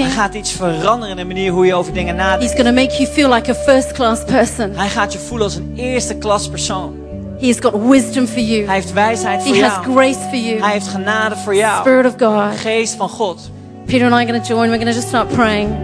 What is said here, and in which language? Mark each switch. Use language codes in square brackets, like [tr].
[nl] Hij gaat iets veranderen in de manier hoe je over dingen nadenkt. [en] He's going to make you feel like a first class person. [nl] Hij gaat je voelen als een eerste klas persoon. [en] He has got wisdom for you. [nl] Hij heeft wijsheid voor [en] He [nl] jou. [en] He has grace for you. [nl] Hij heeft genade voor jou. [en] Spirit of God. [nl] Geest van God. [en] Peter and I are going to join. We're going to just start praying.